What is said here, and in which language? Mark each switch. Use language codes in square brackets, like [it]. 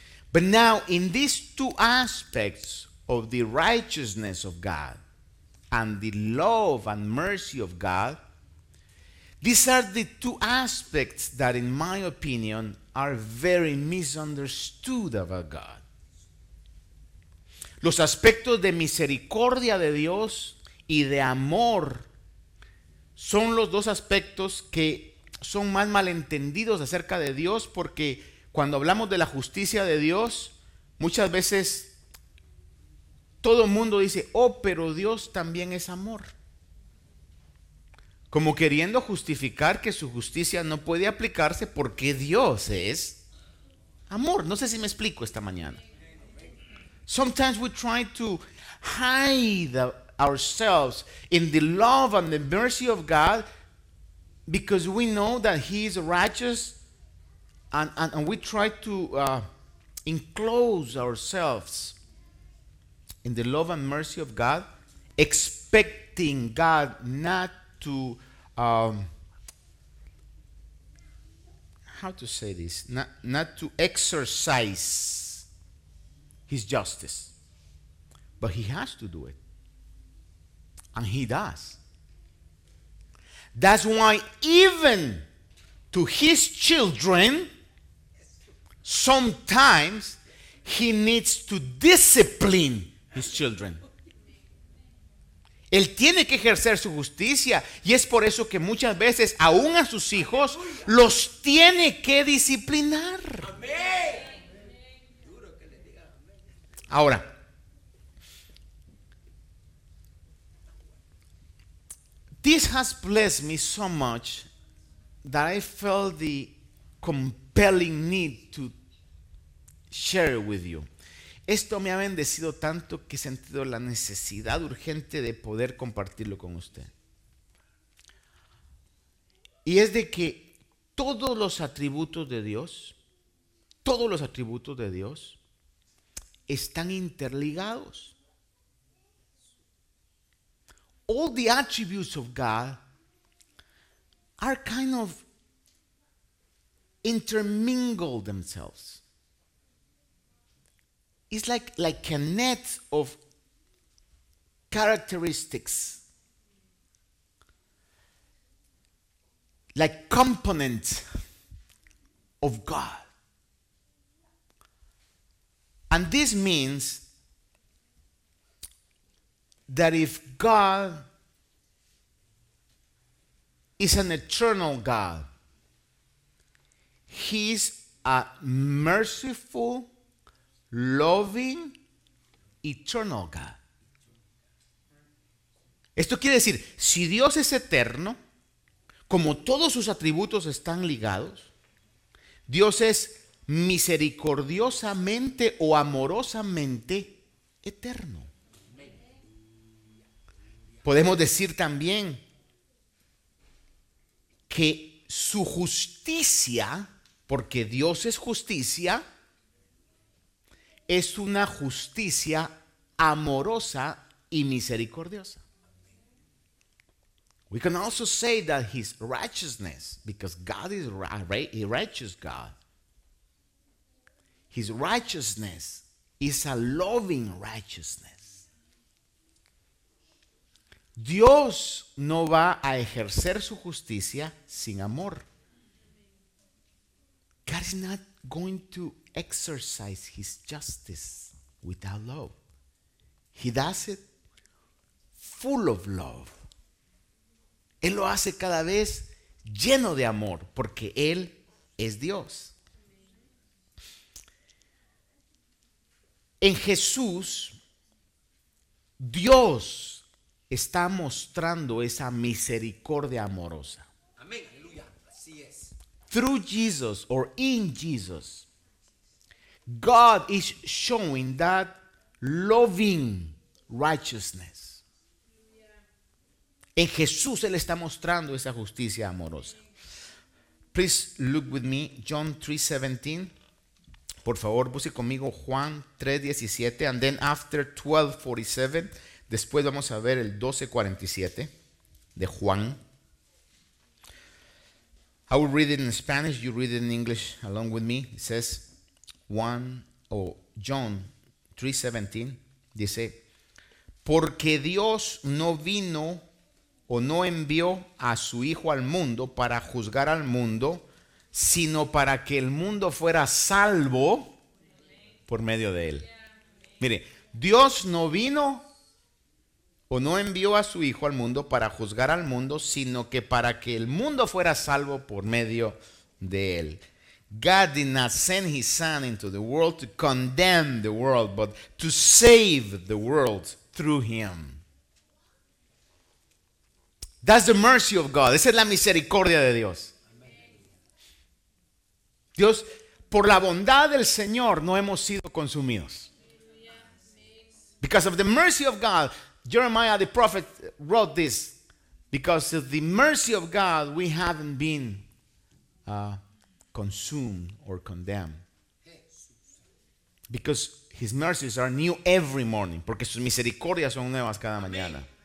[en] But now in these two aspects of the righteousness of God and the love and mercy of God, these are the two aspects that, in my opinion, are very misunderstood about God. [es] Los aspectos de misericordia de Dios y de amor son los dos aspectos que son más malentendidos acerca de Dios, porque cuando hablamos de la justicia de Dios, muchas veces todo el mundo dice, oh, pero Dios también es amor. Como queriendo justificar que su justicia no puede aplicarse porque Dios es amor. No sé si me explico esta mañana. [en] Sometimes we try to hide ourselves in the love and the mercy of God because we know that he is righteous, and we try to enclose ourselves in the love and mercy of God, expecting God not to not to exercise his justice. But he has to do it. And he does. That's why even to his children, sometimes he needs to discipline his children. [es] Él tiene que ejercer su justicia, y es por eso que muchas veces aún a sus hijos los tiene que disciplinar. Ahora, [en] this has blessed me so much that I felt the compelling need to share it with you. [es] Esto me ha bendecido tanto que he sentido la necesidad urgente de poder compartirlo con usted. Y es de que todos los atributos de Dios, todos los atributos de Dios están interligados. [en] All the attributes of God are kind of intermingled themselves. It's like a net of characteristics, like components of God. And this means that if God is an eternal God, he is a merciful, loving, eternal God. [es] Esto quiere decir, si Dios es eterno, como todos sus atributos están ligados, Dios es misericordiosamente o amorosamente eterno. Podemos decir también que su justicia, porque Dios es justicia, es una justicia amorosa y misericordiosa. [en] We can also say that his righteousness, because God is a righteous God, his righteousness is a loving righteousness. [es] Dios no va a ejercer su justicia sin amor. [en] God is not going to exercise his justice without love. He does it full of love. [es] Él lo hace cada vez lleno de amor, porque él es Dios. En Jesús, Dios está mostrando esa misericordia amorosa. Amén. Aleluya. Así es. [en] Through Jesus, or in Jesus, God is showing that loving righteousness. [es] En Jesús él está mostrando esa justicia amorosa. [en] Please look with me, John 3:17. [es] Por favor, busque conmigo Juan 3:17. [en] And then after 12:47, [es] después vamos a ver el 12:47 de Juan. [en] I will read it in Spanish, you read it in English along with me. It says, John 3:17, [es] dice, porque Dios no vino o no envió a su Hijo al mundo para juzgar al mundo, sino para que el mundo fuera salvo por medio de él. Mire, Dios no vino o no envió a su Hijo al mundo para juzgar al mundo, sino que para que el mundo fuera salvo por medio de él. [en] God did not send his son into the world to condemn the world, but to save the world through him. That's the mercy of God. [es] Esa es la misericordia de Dios. Dios, por la bondad del Señor, no hemos sido consumidos. [en] Because of the mercy of God, Jeremiah the prophet wrote this. Because of the mercy of God, we haven't been consumed or condemned. Because his mercies are new every morning. [es] Porque sus misericordias son nuevas cada mañana.